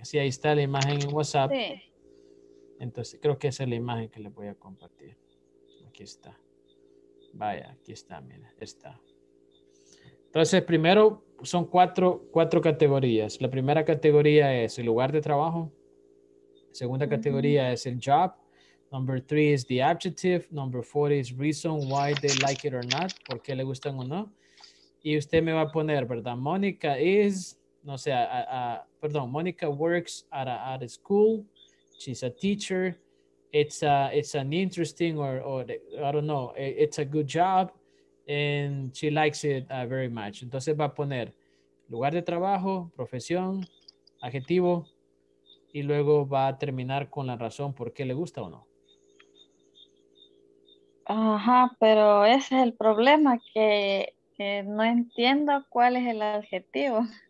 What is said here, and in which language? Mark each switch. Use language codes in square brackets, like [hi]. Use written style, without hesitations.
[es] Sí, ahí está la imagen en WhatsApp. Sí. Entonces, creo que esa es la imagen que les voy a compartir. Aquí está. Vaya, aquí está, mira, está. Entonces, primero, son cuatro categorías. La primera categoría es el lugar de trabajo. Segunda categoría es el job. [en] Number three is the adjective. Number four is reason why they like it or not. [es] ¿Por qué le gustan o no? Y usted me va a poner, ¿verdad? [en] Mónica is, [es] no sé, perdón, [en] Mónica works at a school. She's a teacher. It's an interesting or I don't know, it's a good job. And she likes it very much. [es] Entonces va a poner lugar de trabajo, profesión, adjetivo. Y luego va a terminar con la razón por qué le gusta o no. Ajá, pero ese es el problema, que no entiendo cuál es el adjetivo.